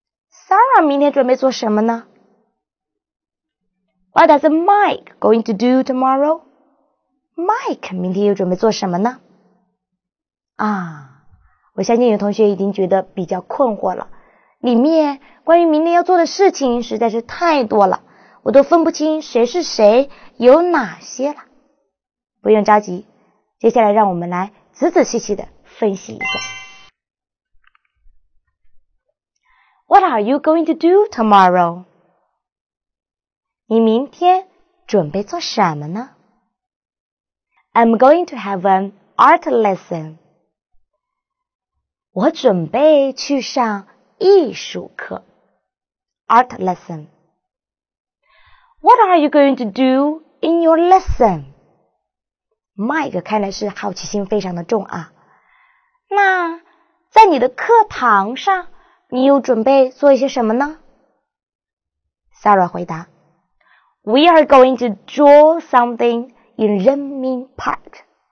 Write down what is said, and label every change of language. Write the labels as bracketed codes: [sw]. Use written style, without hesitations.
[en] Sarah [zh] 明天准备做什么呢 [en] ？What does Mike going to do tomorrow? [zh] Mike 明天又准备做什么呢？啊。我相信有同学已经觉得比较困惑了，里面关于明天要做的事情实在是太多了，我都分不清谁是谁，有哪些了。不用着急，接下来让我们来仔仔细细的分析一下。 [en] What are you going to do tomorrow? [zh] 你明天准备做什么呢？ [en] I'm going to have an art lesson. [zh] 我准备去上艺术课 [en] ,art lesson. What are you going to do in your lesson? [zh] Mike 看来是好奇心非常的重啊。那在你的课堂上你又准备做一些什么呢？ [en] Sarah [zh] 回答 [en] ,We are going to draw something in Renmin Park.